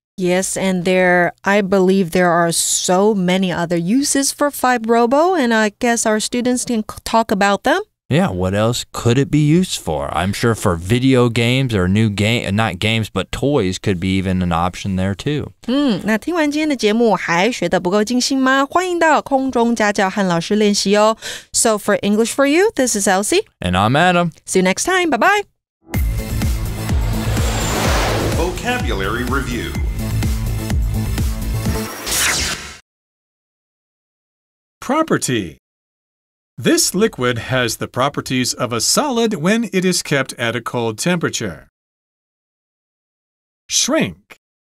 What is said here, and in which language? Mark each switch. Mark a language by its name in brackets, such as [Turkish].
[English] Yes, and I believe there are so many other uses for FibeRobo, and I guess our students can talk about them. Yeah, what else could it be used for? I'm sure for video games or new game, not games, but toys could be even an option there too. [Chinese] 那听完今天的节目还学得不够尽兴吗？欢迎到空中家教和老师练习哦。 [English] So for English for You, this is Elsie. And I'm Adam. See you next time. Bye-bye. Vocabulary Review. Property. This liquid has the properties of a solid when it is kept at a cold temperature. Shrink.